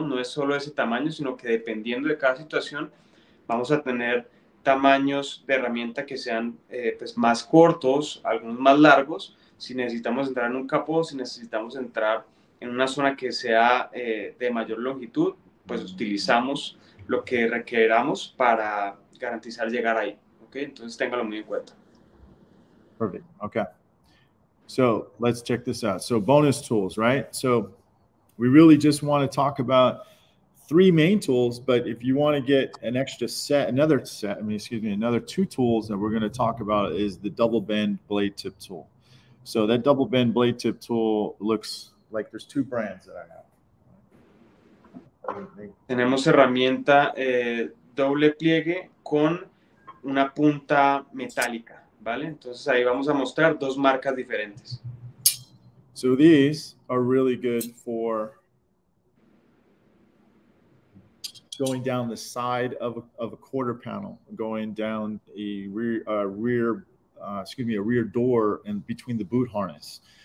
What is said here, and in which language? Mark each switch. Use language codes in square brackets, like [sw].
[es] No es solo ese tamaño, sino que dependiendo de cada situación, vamos a tener tamaños de herramienta que sean pues más cortos, algunos más largos. Si necesitamos entrar en un capó, si necesitamos entrar en una zona que sea de mayor longitud, pues utilizamos lo que requeramos para garantizar llegar ahí. Okay, entonces téngalo muy en cuenta. [en] Perfect. Okay. So let's check this out. So bonus tools, right? So we really just want to talk about three main tools, but if you want to get an extra set, another two tools that we're going to talk about is the double bend blade tip tool. So that double bend blade tip tool looks like there's two brands that I have. [es] Tenemos herramienta doble pliegue con una punta metálica, ¿vale? Entonces ahí vamos a mostrar dos marcas diferentes. [en] So these are really good for going down the side of a quarter panel, going down a rear door and between the boot harness.